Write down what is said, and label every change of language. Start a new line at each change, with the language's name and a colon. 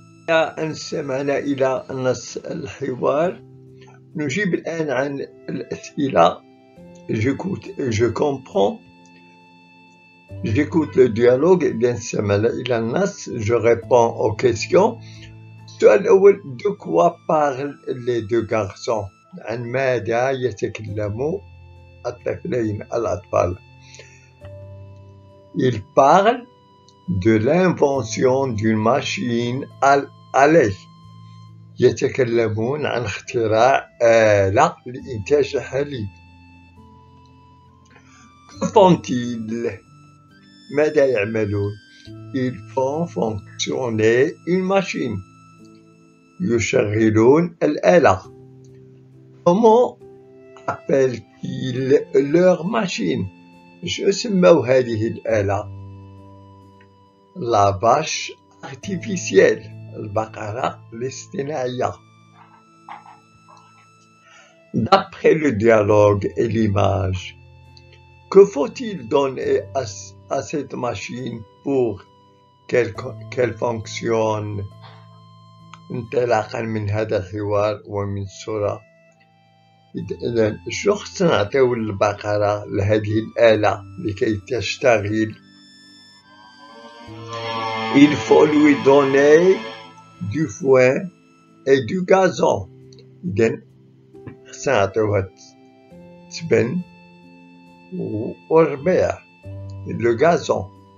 Arabic: أن سمعنا إلى نص الحوار نجيب الآن عن الأسئلة.
French: Je comprends. J'écoute le dialogue.
Arabic: Bien سمعنا إلى النص.
French: Je réponds aux questions.
Arabic: سؤال الأول.
French: De quoi parlent les deux garçons؟
Arabic: عن ماذا يتكلموا الطفلين الأطفال؟
French: Ils parlent de l'invention d'une machine à
Arabic: عليه يتكلمون عن اختراع آلة لإنتاج الحليب.
French: Que font-ils?
Arabic: ماذا يعملون؟
French: Ils font fonctionner une machine.
Arabic: يشغلون الآلة.
French: Comment appellent-ils leur machine?
Arabic: شو سموا هذه الآلة؟
French: La vache artificielle.
Arabic: البقرة الاصطناعية.
French: D'après le dialogue et l'image, que faut-il donner à cette machine pour qu'elle fonctionne?
Arabic: انطلاقا من هذا الحوار ومن الصورة. إذن شو خصنا نعطيو للبقرة لهذه الآلة لكي تشتغل؟
French: Il faut lui donner du foin et du gazon. Then, ça te va. Tu ben ou bien. le gazon.